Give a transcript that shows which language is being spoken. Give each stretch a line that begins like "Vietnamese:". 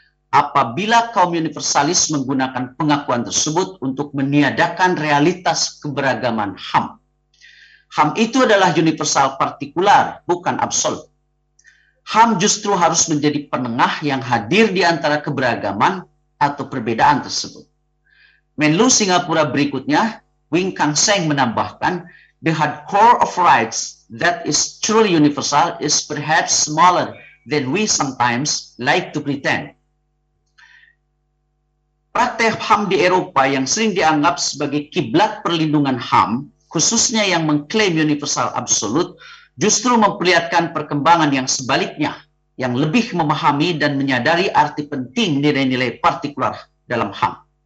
Indonesian: Apabila kaum universalis menggunakan pengakuan tersebut untuk meniadakan realitas keberagaman HAM. HAM itu adalah universal partikular, bukan absolut. HAM justru harus menjadi penengah yang hadir di antara keberagaman atau perbedaan tersebut. Menlu Singapura berikutnya, Wing Kang Seng menambahkan,
English: the hardcore of rights that is truly universal is perhaps smaller than we sometimes like to pretend.
Indonesian: Praktek HAM di Eropa yang sering dianggap sebagai kiblat perlindungan HAM, khususnya yang mengklaim universal absolut, justru memperlihatkan perkembangan yang sebaliknya, yang lebih memahami dan menyadari arti penting nilai-nilai partikular dalam HAM.